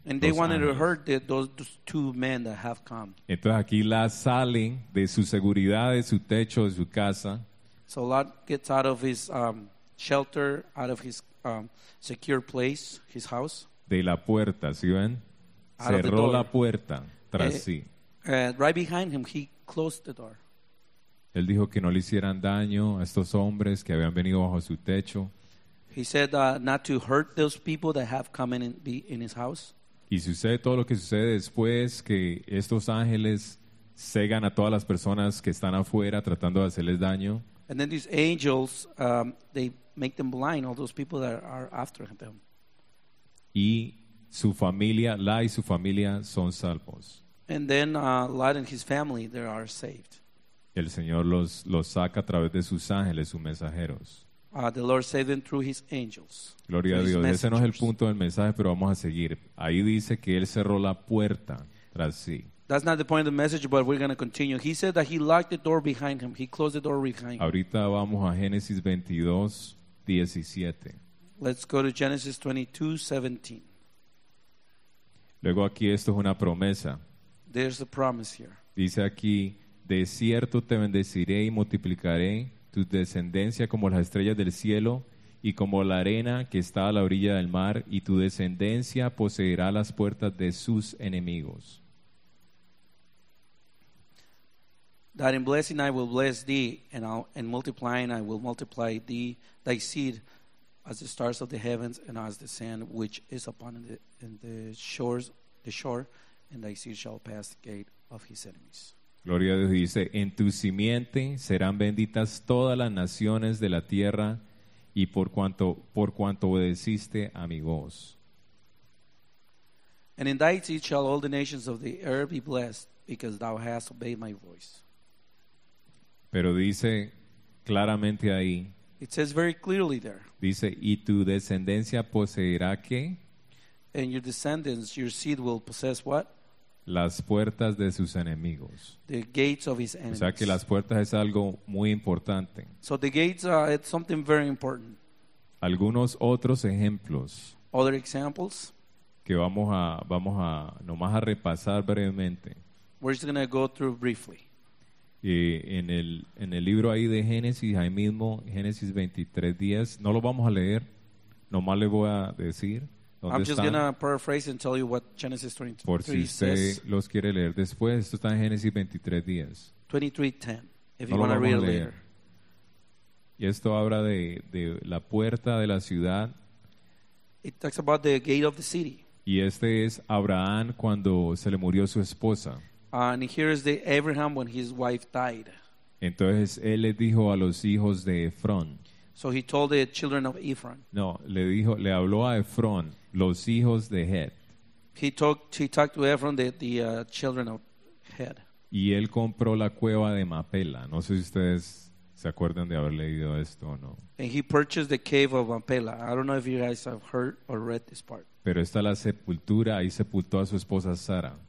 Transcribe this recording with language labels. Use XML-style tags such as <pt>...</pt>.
<en>And they wanted to hurt those two men that have come.</en> <es>Entonces aquí Lot sale de su seguridad, de su techo, de su casa.</es> <en>So Lot gets out of his shelter, out of his secure place, his house.</en> <es>De la puerta, ¿sí ven? Cerró la puerta tras sí.</es> <en>Right behind him, he closed the door.</en> <es>Él dijo que no le hicieran daño a estos hombres que habían venido bajo su techo.</es> <en>He said not to hurt those people that have come in his house.</en> <es>Y sucede todo lo que sucede después, que estos ángeles cegan a todas las personas que están afuera tratando de hacerles daño.</es> <en>And then these angels, they make them blind, all those people that are after them.</en> <es>Y su familia, Lot y su familia son salvos.</es> <en>And then Lot and his family, they are saved.</en> <es>El Señor los saca a través de sus ángeles, sus mensajeros.</es> <en>The Lord saved them through his angels.</en> <es>Gloria a Dios. Ese no es el punto del mensaje, pero vamos a seguir. Ahí dice que él cerró la puerta tras sí.</es> <en>That's not the point of the message, but we're going to continue. He said that he locked the door behind him. He closed the door behind him.</en> <es>Ahorita vamos a Génesis 22, 17.</es> <en>Let's go to Genesis 22, 17.</en> <es>Luego aquí esto es una promesa.</es> <en>There's a promise here.</en> <es>Dice aquí, de cierto te bendeciré y multiplicaré tu descendencia como las estrellas del cielo y como la arena que está a la orilla del mar, y tu descendencia poseerá las puertas de sus enemigos.</es> <en>That in blessing I will bless thee, and in multiplying I will multiply thee, thy seed, as the stars of the heavens and as the sand which is upon the shore, and thy seed shall pass the gate of his enemies.</en> <es>Gloria a Dios. Dice, en tu simiente serán benditas todas las naciones de la tierra, y por cuanto obedeciste a mi voz.</es> <en>And in thy seed shall all the nations of the earth be blessed, because thou hast obeyed my voice.</en> <es>Pero dice claramente ahí.</es> <en>It says very clearly there.</en> <es>Dice, ¿y tu descendencia poseerá qué?</es> <en>And your descendants, your seed will possess what?</en> <es>Las puertas de sus enemigos.</es> <en>The gates of his enemies.</en> <es>O sea que las puertas es algo muy importante.</es> <en>So the gates are something very important.</en> <es>Algunos otros ejemplos.</es> <en>Other examples.</en> <es>Que vamos a nomás a repasar brevemente.</es> <en>We're just gonna go through briefly.</en> <es>En el libro ahí de Génesis, ahí mismo, Génesis 23, 10, no lo vamos a leer, nomás le voy a decir dónde está.</es> <en>I'm just going to paraphrase and tell you what Genesis 23</en> <es>por si usted los quiere leer después. Esto está en Génesis 23, 10.</es> <en>23:10, if</en> <es>no</es> <en>you want to read later.</en> <es>Y esto habla de la puerta de la ciudad.</es> <en>It talks about the gate of the city.</en> <es>Y este es Abraham cuando se le murió su esposa.</es> <en>And here is the Abraham when his wife died.</en> <es>Entonces él le dijo a los hijos de Efrón.</es> <en>So he told the children of Ephron.</en> <es>No, le habló a Efrón, los hijos de Het.</es> <en>He talked to Ephron, the children of Het.</en> <es>Y él compró la cueva de Mapela. No sé si ustedes se acuerdan de haber leído esto o no.</es> <en>And he purchased the cave of Mapela. I don't know if you guys have heard or read this part.</en> <es>Pero está la sepultura, ahí sepultó a su esposa Sara.</es>